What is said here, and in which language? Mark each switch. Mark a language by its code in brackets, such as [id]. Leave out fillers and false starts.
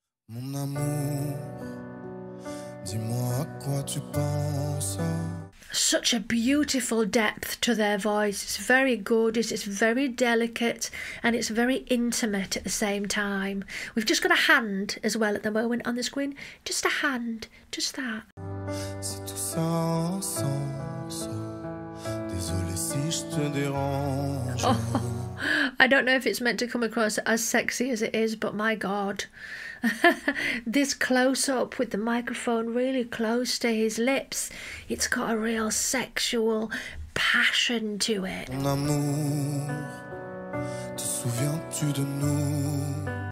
[fr] Mon amour, dis-moi à quoi tu penses. [en] Such a beautiful depth to their voice. It's very gorgeous, it's very delicate, and it's very intimate at the same time. We've just got a hand as well at the moment on the screen. Just a hand, just that. [fr] C'est tout ça sans, désolé si je te dérange. [en] Oh, I don't know if it's meant to come across as sexy as it is, but my God. This close-up with the microphone really close to his lips, it's got a real sexual passion to it. [fr] Mon amour, te souviens-tu de nous?